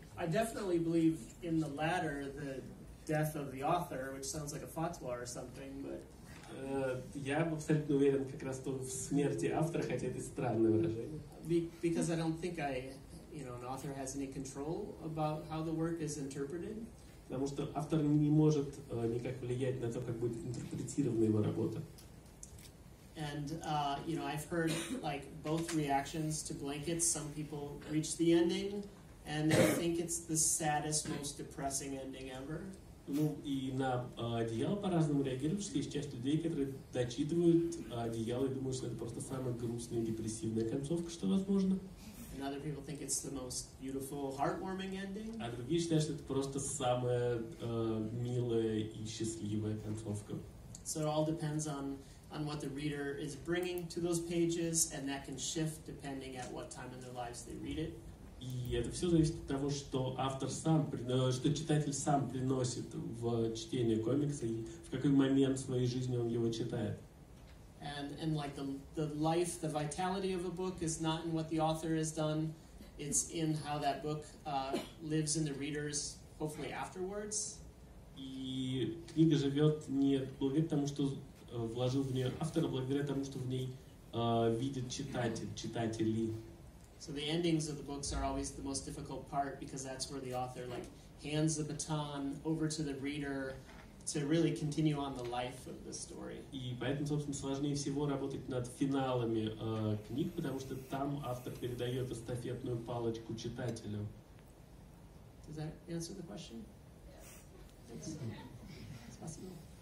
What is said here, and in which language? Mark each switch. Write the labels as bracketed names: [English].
[English] I definitely believe in the latter, the death of the author, which sounds like a fatwa or something, but... [Russian] Я абсолютно уверен как раз то в смерти автора, хотя это странное выражение. [English] Because I don't think I... You know, an author has any control about how the work is interpreted? [Russian] Потому что автор не может никак влиять на то, как будет интерпретирована его работа. [English] And you know, I've heard like both reactions to Blankets. Some people reach the ending, and they think it's the saddest, most depressing ending ever. [Russian] Ну и на одеяло по-разному реагируют, что есть часть людей, которые дочитывают одеяло и думают, что это просто самая грустная, депрессивная концовка, что возможно. [English] And other people think it's the most beautiful, heartwarming ending. [Russian] А другие считают, что это просто самая милая и счастливая концовка. [English] So it all depends on what the reader is bringing to those pages, and that can shift depending at what time in their lives they read it. [Russian] И это все зависит от того, что автор сам, что читатель сам приносит в чтение комикса и в какой момент своей жизни он его читает. [English] And like the life, the vitality of a book is not in what the author has done, it's in how that book lives in the readers, hopefully afterwards. [Russian] И книга живет не благодаря тому, что вложил в нее автор, а благодаря тому, что в ней видит читатели. [English] So the endings of the books are always the most difficult part because that's where the author like hands the baton over to the reader to really continue on the life of the story. [Russian] И поэтому, собственно, сложнее всего работать над финалами книг, потому что там автор передает эстафетную палочку читателю. [English] Does that answer the question? Yes. It's possible.